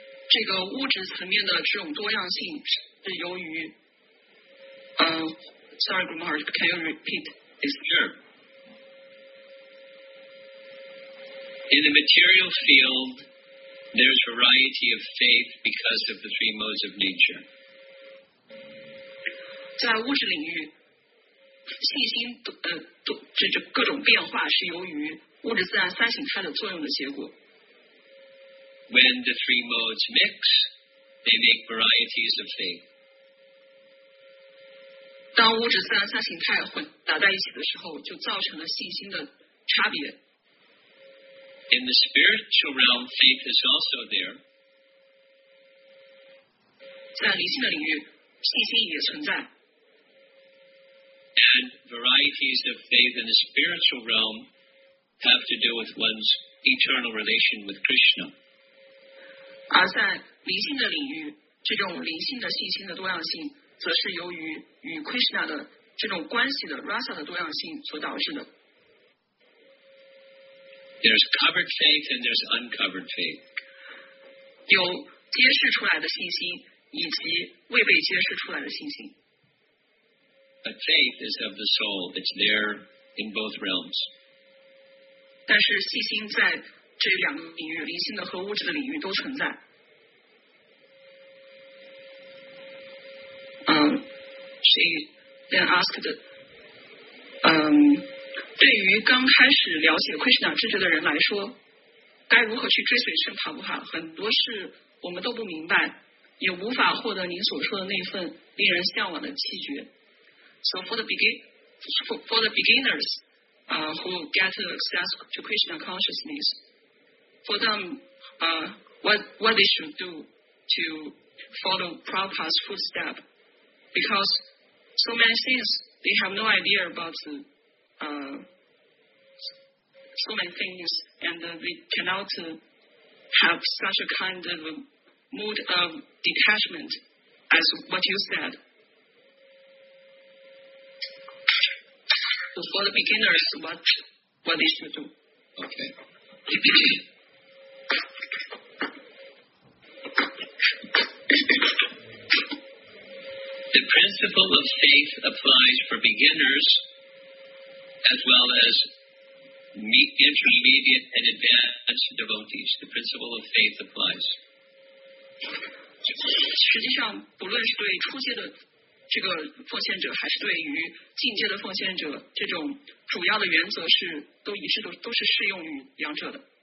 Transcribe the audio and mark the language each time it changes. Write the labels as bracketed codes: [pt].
[zh] 这个物质层面的这种多样性是由于 [en] sorry, Guru Maharaj, can you repeat? Sure. In the material field, there's variety of faith because of the three modes of nature. [zh] 在物质领域，信心这各种变化是由于物质自然三形态的作用的结果。 [en] When the three modes mix, they make varieties of faith. [zh] 当物质自然三形态混杂在一起的时候，就造成了信心的差别。 [en] In the spiritual realm, faith is also there. [zh] 在灵性的领域，信心也存在。 [en] And varieties of faith in the spiritual realm have to do with one's eternal relation with Krishna. [zh] 而在灵性的领域，这种灵性的信心的多样性。则是由于与 Krishna 的这种关系的 Rasa 的多样性所导致的。 [en] There's covered faith and there's uncovered faith. [zh] 有揭示出来的信心以及未被揭示出来的信心。 [en] But faith is of the soul. It's there in both realms. [zh] 但是信心在这两个领域，灵性的和物质的领域都存在。 [en] She then asked, [zh] 对于刚开始了解 Krishna 知觉的人来说，该如何去追随圣帕布哈？很多事我们都不明白，也无法获得您所说的那份令人向往的气绝。 [en] So for the beginners, who get access to Krishna consciousness, for them, what they should do to follow Prabhupada's footstep? Because so many things, they have no idea about so many things, and they cannot have such a kind of mood of detachment as what you said. So for the beginners, what they should do. Okay. The principle of faith applies for beginners as well as intermediate and advanced devotees. The principle of faith applies. [zh] 实际上，不论是对初阶的这个奉献者，还是对于进阶的奉献者，这种主要的原则是都一致的，都是适用于两者的。